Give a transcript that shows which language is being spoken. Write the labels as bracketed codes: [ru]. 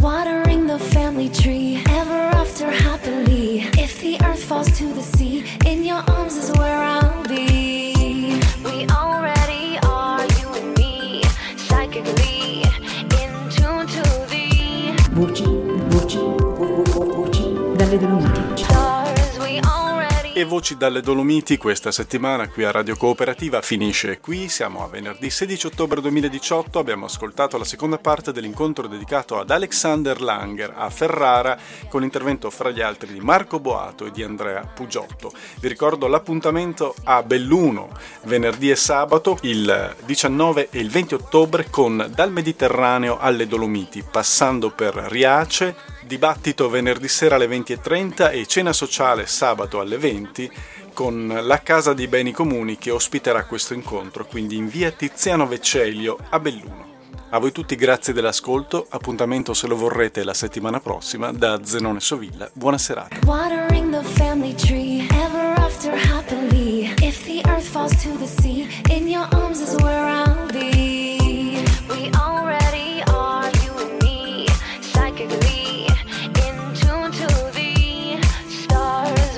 [en] Watering the family tree, ever after happily. If the earth falls to the sea, in your arms is where I'll be. We already are, you and me, psychically in tune to thee. [it] Voci, voci, voci, dalle Dolomiti. [en] Stars, we already are. [it] e Voci dalle Dolomiti questa settimana qui a Radio Cooperativa finisce qui. Siamo a venerdì 16 ottobre 2018, abbiamo ascoltato la seconda parte dell'incontro dedicato ad Alexander Langer a Ferrara con l'intervento fra gli altri di Marco Boato e di Andrea Pugiotto. Vi ricordo l'appuntamento a Belluno venerdì e sabato il 19 e il 20 ottobre con Dal Mediterraneo alle Dolomiti, passando per Riace, dibattito venerdì sera alle 20.30 e cena sociale sabato alle 20 con la Casa dei Beni Comuni che ospiterà questo incontro, quindi in via Tiziano Vecellio a Belluno. A voi tutti grazie dell'ascolto, appuntamento se lo vorrete la settimana prossima da Zenone Sovilla, buona serata. [en] Watering the family tree, ever after happily, if the earth falls to the sea, in your arms is where I'll be. We already are, you and me, psychically, in tune to the stars.